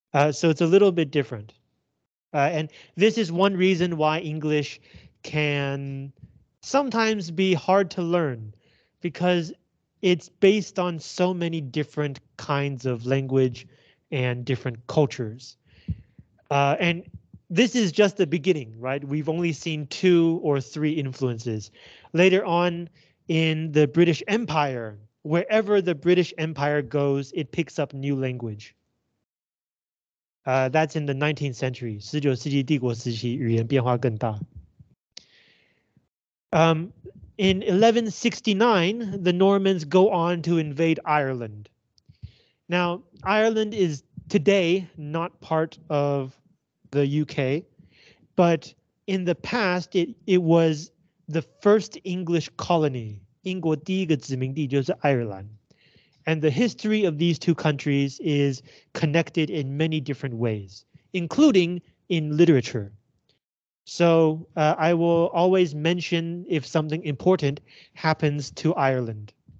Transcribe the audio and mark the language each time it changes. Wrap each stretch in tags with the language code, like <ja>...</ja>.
<en>So it's a little bit different. And this is one reason why English can sometimes be hard to learn, because it's based on so many different kinds of language and different cultures. And this is just the beginning, right? We've only seen two or three influences. Later on in the British Empire, wherever the British Empire goes, it picks up new language. That's in the 19th century.</en> <zh>19世纪帝国时期语言变化更大.</zh> <en>In 1169, the Normans go on to invade Ireland. Now, Ireland is today not part of the UK, but in the past, it was the first English colony.</en> <zh>英国第一个殖民地就是爱尔兰.</zh> <en>And the history of these two countries is connected in many different ways, including in literature. So I will always mention if something important happens to Ireland.</en>